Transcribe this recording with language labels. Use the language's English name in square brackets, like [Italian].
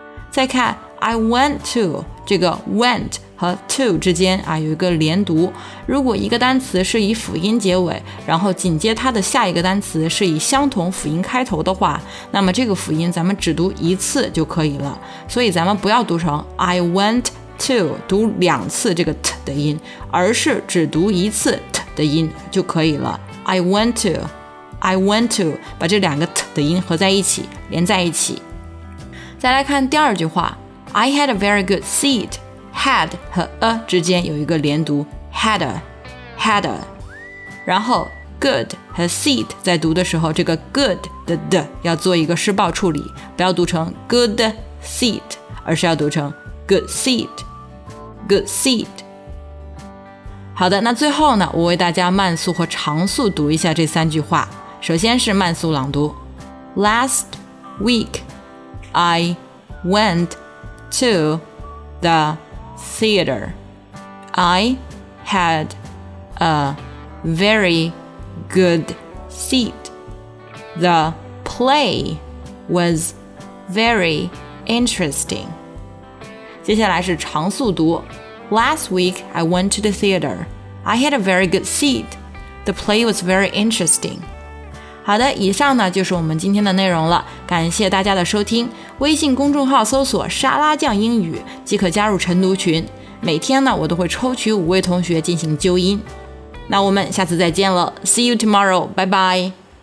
[Chinese] 再看 [English] I went to， [Chinese] 这个 went 和 to 之间啊有一个连读，如果一个单词是以辅音结尾，然后紧接它的下一个单词是以相同辅音开头的话，那么这个辅音咱们只读一次就可以了，所以咱们不要读成 I went to， 读两次这个 t 的音，而是只读一次的音就可以了。 I went to I went to， 把这两个 t 的音合在一起，连在一起。再来看第二句话， [English] I had a very good seat， [Chinese] had 和 a 之间有一个连读 had a had a， 然后 good 和 seat 在读的时候，这个 good 的 d 要做一个失爆处理，不要读成 good seat， 而是要读成 good seat good seat。好的，那最后呢，我为大家慢速和长速读一下这三句话。首先是慢速朗读。 [English] Last week, I went to the theater. I had a very good seat. The play was very interesting. [Chinese] 接下来是长速读。 [English] Last week, I went to the theater. I had a very good seat. The play was very interesting. [Chinese] 好的，以上呢就是我们今天的内容了。感谢大家的收听。微信公众号搜索沙拉酱英语即可加入晨读群。每天呢我都会抽取五位同学进行纠音。那我们下次再见了。 [English] See you tomorrow. Bye bye.